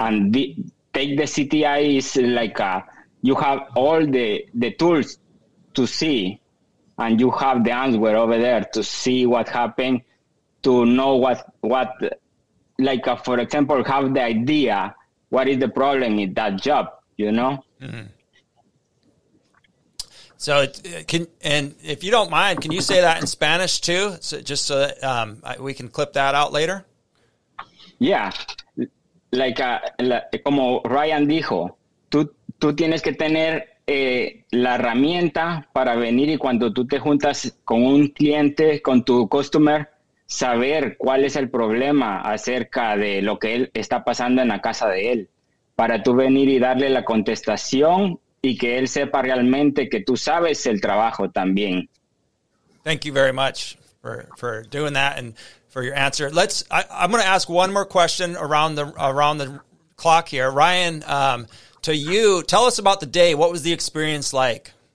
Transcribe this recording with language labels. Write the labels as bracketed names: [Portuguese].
[English] And take the CTI is like you have all the tools to see, and you have the answer over there to see what happened, to know what like, for example, have the idea what is the problem in that job, you know? Mm-hmm. So if you don't mind, can you say that in Spanish too? So just so that we can clip that out later. [Spanish] Yeah, como Ryan dijo, tú tienes que tener la herramienta para venir y cuando tú te juntas con un cliente, con tu customer, saber cuál es el problema acerca de lo que él está pasando en la casa de él, para tú venir y darle la contestación. Y que él sepa realmente que tú sabes el trabajo también. [English] Thank you very much for doing that and for your answer. I'm going to ask one more question around the clock here. Ryan, to you, tell us about the day. What was the experience like?